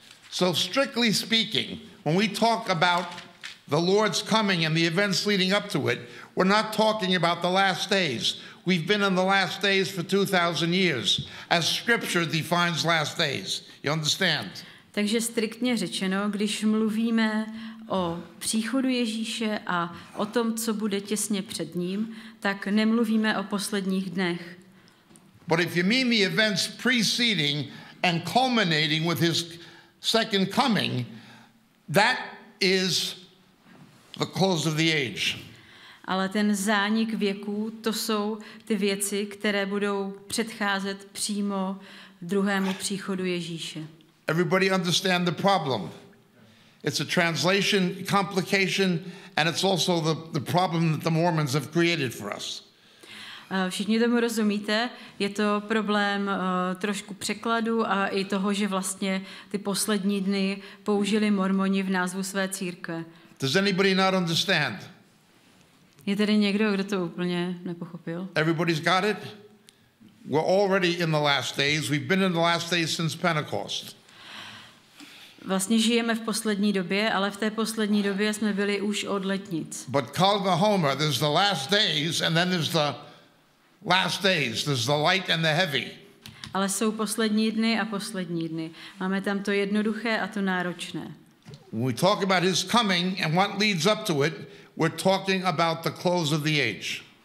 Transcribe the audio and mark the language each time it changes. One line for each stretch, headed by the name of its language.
English: So strictly speaking, when we talk about the Lord's coming and the events leading up to it, we're not talking about the last days. We've been in the last days for 2,000 years, as scripture defines last days. You understand?
Czech: Takže striktně řečeno, když mluvíme o příchodu Ježíše a o tom, co bude těsně před ním, tak nemluvíme o posledních dnech.
English: But if you mean the events preceding and culminating with his second coming, that is the close of the age.
Czech: Ale ten zánik věků, to jsou ty věci, které budou předcházet přímo druhému příchodu Ježíše.
English: Everybody understand the problem. It's a translation complication, and it's also the problem that the Mormons have created for us.
Czech: Všichni tomu rozumíte, je to problém trošku překladu a i toho, že vlastně ty poslední dny použili Mormoni v názvu své církve.
English: Does anybody not understand?
Czech: Je tady někdo, kdo to úplně nepochopil?
English: Everybody's got it? We're already in the last days. We've been in the last days since Pentecost.
Czech: Vlastně žijeme v poslední době, ale v té poslední době jsme byli už od letnic.
English: But call the Homer, there's the last days and then there's the last days. There's the light and the heavy.
Czech: Ale jsou poslední dny a poslední dny. Máme tam to jednoduché a to náročné.
English: When we talk about his coming and what leads up to it, we're talking about the close of the age.